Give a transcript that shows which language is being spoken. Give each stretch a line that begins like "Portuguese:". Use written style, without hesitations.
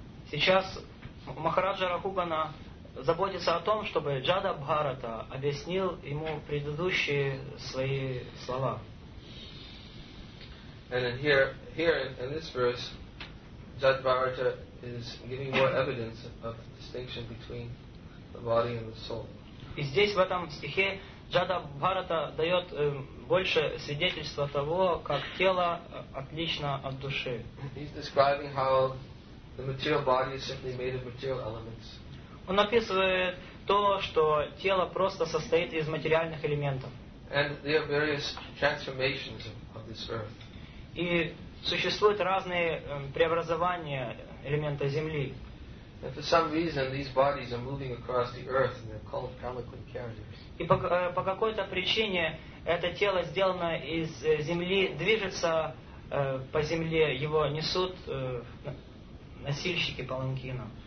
Russian: Сейчас Махараджа Рахугана заботится о том, чтобы Джада Бхарата объяснил ему предыдущие свои слова.
English: And in here in this verse, Jada Bharata is giving more evidence of the distinction between the body and the soul.
Russian: И здесь в этом стихе Джада Бхарата дает больше свидетельства того, как тело отлично от души.
English: He's describing how the material body is simply made of material elements.
Russian: Он описывает то, что тело просто состоит из материальных элементов.
English: And there are various transformations of this earth.
Russian: И существуют разные преобразования элемента земли.
English: And for some reason these bodies are moving across the earth and they're called palanquin carriers.
Russian: И по какой-то причине это тело сделано из земли, движется по земле, его несут носильщики паланкина.